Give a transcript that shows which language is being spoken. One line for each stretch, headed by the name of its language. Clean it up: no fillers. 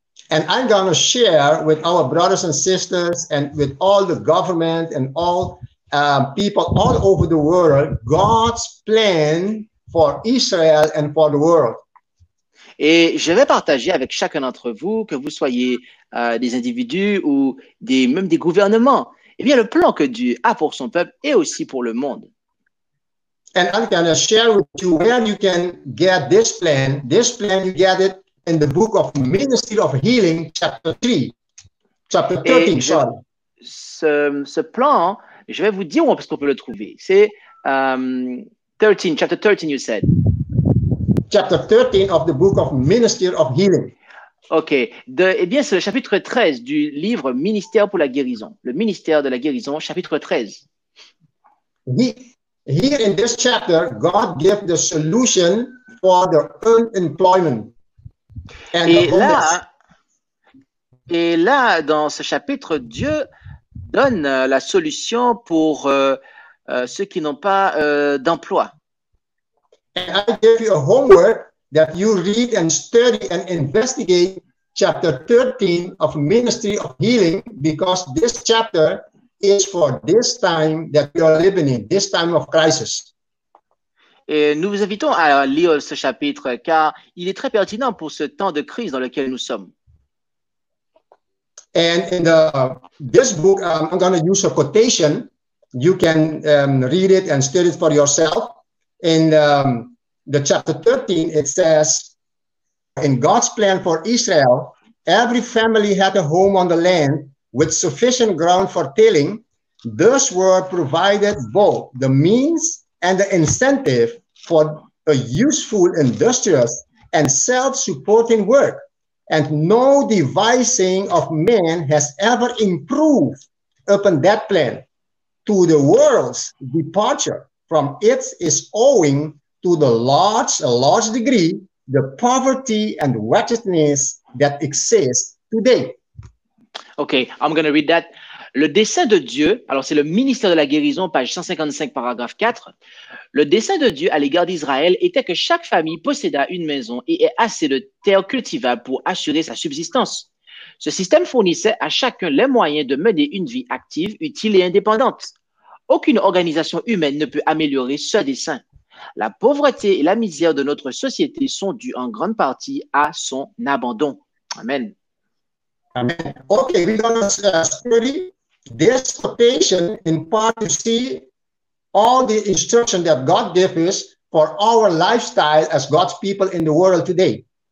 English: And I'm going to share with our brothers and sisters and with all the government and all people all over the world, God's plan for Israel and for the world.
French: Et je vais partager avec chacun d'entre vous, que vous soyez des individus ou même des gouvernements, eh bien, le plan que Dieu a pour son peuple et aussi pour le monde.
English: And I'm going to share with you where you can get this plan. This plan, you get it in the book of Ministry of Healing, chapter 3. Chapter 13, sorry.
French: Ce plan, je vais vous dire où est-ce qu'on peut le trouver. C'est 13,
English: chapter 13, you said. Chapter 13 of the book of Ministry of Healing. OK.
French: Eh bien, c'est le chapitre 13 du livre Ministère pour la guérison. Le ministère de la guérison, chapitre 13.
English: He, Here in this chapter, God gives the solution for the unemployment and the homeless.
French: Et là, dans ce chapitre, Dieu donne la solution pour ceux qui n'ont pas d'emploi.
English: And I give you a homework that you read and study and investigate chapter 13 of Ministry of Healing, because this chapter is for this time that we are living in, this time of crisis.
French: Et nous vous invitons à lire ce chapitre car il est très pertinent pour ce temps de crise dans lequel nous sommes.
English: And in the, this book, I'm going to use a quotation. You can read it and study it for yourself. In the chapter 13, it says, in God's plan for Israel, every family had a home on the land with sufficient ground for tilling. Thus were provided both the means and the incentive for a useful, industrious, and self-supporting work. And no devising of man has ever improved upon that plan. To the world's departure from it is owing to the large degree the poverty and wretchedness that exists today. Okay, I'm going to read that.
French: Le dessein de Dieu, alors c'est le ministère de la guérison, page 155, paragraphe 4. Le dessein de Dieu à l'égard d'Israël était que chaque famille possédât une maison et ait assez de terre cultivable pour assurer sa subsistance. Ce système fournissait à chacun les moyens de mener une vie active, utile et indépendante. Aucune organisation humaine ne peut améliorer ce dessein. La pauvreté et la misère de notre société sont dues en grande partie à son abandon. Amen. Amen.
English: Okay, we're going to study this quotation in part to see all the instruction that God gives for our lifestyle as God's people in the world today.